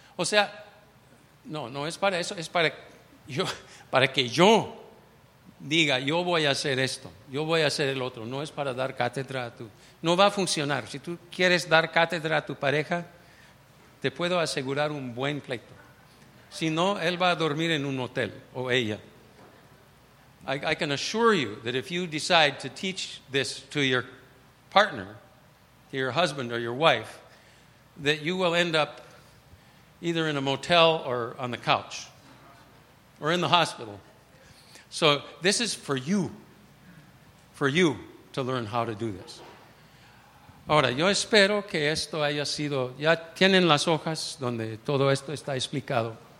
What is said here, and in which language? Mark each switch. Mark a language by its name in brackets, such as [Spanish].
[Spanish] O sea, no es para eso, es para que yo diga, yo voy a hacer esto, yo voy a hacer el otro, no es para dar cátedra a tu... No va a funcionar. Si tú quieres dar cátedra a tu pareja, te puedo asegurar un buen pleito. Si no, él va a dormir en un hotel, o ella. [English] I can assure you that if you decide to teach this to your partner, to your husband or your wife, that you will end up either in a motel or on the couch or in the hospital. So this is for you to learn how to do this. [Spanish] Ahora, yo espero que esto haya sido... Ya tienen las hojas donde todo esto está explicado.